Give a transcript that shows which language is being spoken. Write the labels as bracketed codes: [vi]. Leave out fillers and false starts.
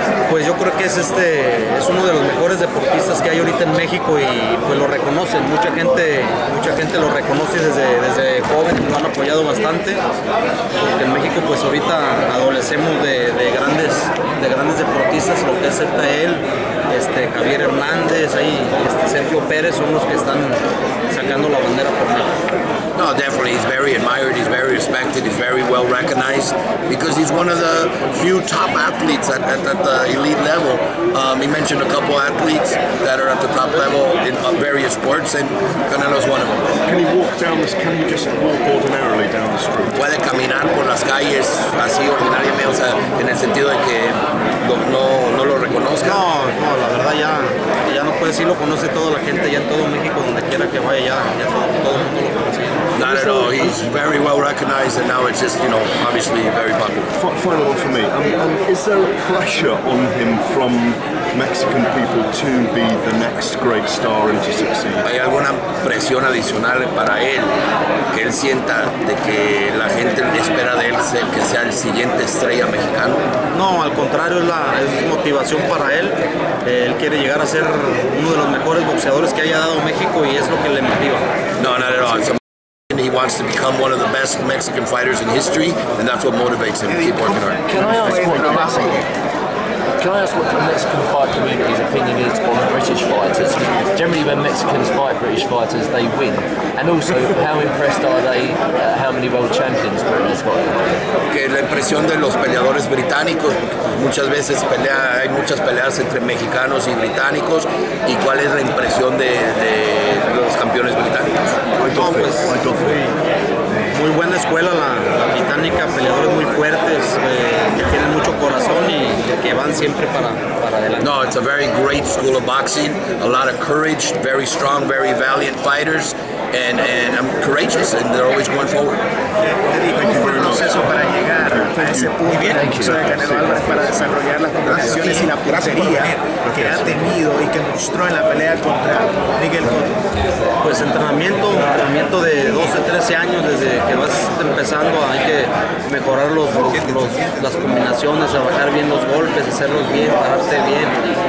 [es] Pues yo creo que es uno de los mejores deportistas que hay ahorita en México y pues lo reconocen, mucha gente lo reconoce desde joven, lo han apoyado bastante, porque en México pues ahorita adolecemos de grandes deportistas, lo que es él, Javier Hernández, ahí Sergio Pérez son los que están sacando la bandera por mí. [en] No, definitely, he's very admired, he's very respected, he's very well recognized because he's one of the few top athletes at the elite level. He mentioned a couple athletes that are at the top level in various sports, and Canelo's one of them. Can you just walk ordinarily down the street? [es] Puede caminar por las calles así ordinariamente, o sea, en el sentido de que no lo reconozca. No, la verdad ya no puede decirlo, conoce toda la gente ya en todo México, donde quiera que vaya, ya todo el mundo lo conoce. [en] Not at all. He's very well recognized, and now it's just, you know, obviously very popular. Final one for me. Is there a pressure on him from Mexican people to be the next great star and to succeed? [es] ¿Hay alguna presión adicional para él que él sienta de que la gente espera de él que sea el siguiente estrella mexicano? No, al contrario, es motivación para él. Él quiere llegar a ser uno de los mejores boxeadores que haya dado México y es lo que le motiva. [en] No, not at all. He wants to become one of the best Mexican fighters in history, and that's what motivates him to keep working hard. Can I ask what the Mexican fight community's opinion is on the British fighters? Generally, when Mexicans fight British fighters, they win. And also, how impressed are they? How many world champions are in this fight? [es] Que la impresión de los peleadores británicos, muchas veces hay muchas peleas entre mexicanos y británicos, y cuál es la impresión de los campeones británicos. Muy buena escuela la británica, peleadores muy fuertes, que tienen mucho corazón y que van siempre para adelante. [en] No, it's a very great school of boxing, a lot of courage, very strong, very valiant fighters, and I'm courageous, and they're always going forward. [es] ¿Cómo fue el proceso para llegar a ese punto de boxeo de Canelo Álvarez para desarrollar las combinaciones y la puntería que ha tenido y que mostró en la pelea contra Miguel Cotto? Pues entrenamiento de 12, 13 años, desde que vas empezando hay que mejorar las combinaciones, trabajar bien los golpes, hacerlos bien, pararte bien.